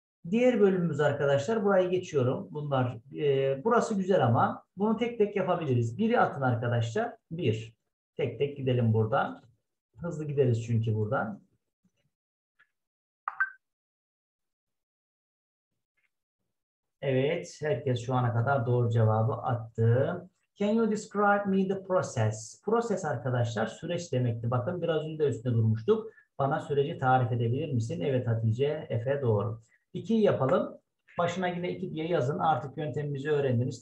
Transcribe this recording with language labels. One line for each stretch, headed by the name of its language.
Turkish: Diğer bölümümüz arkadaşlar, burayı geçiyorum. Bunlar, burası güzel ama bunu tek tek yapabiliriz. Biri atın arkadaşlar, bir. Tek tek gidelim buradan. Hızlı gideriz çünkü buradan. Evet, herkes şu ana kadar doğru cevabı attı.
English: Can you describe me the process?
Turkish: Process arkadaşlar süreç demekti. Bakın biraz önce üstüne durmuştuk. Bana süreci tarif edebilir misin? Evet Hatice, Efe doğru. İkiyi yapalım. Başına yine iki diye yazın. Artık yöntemimizi öğrendiniz.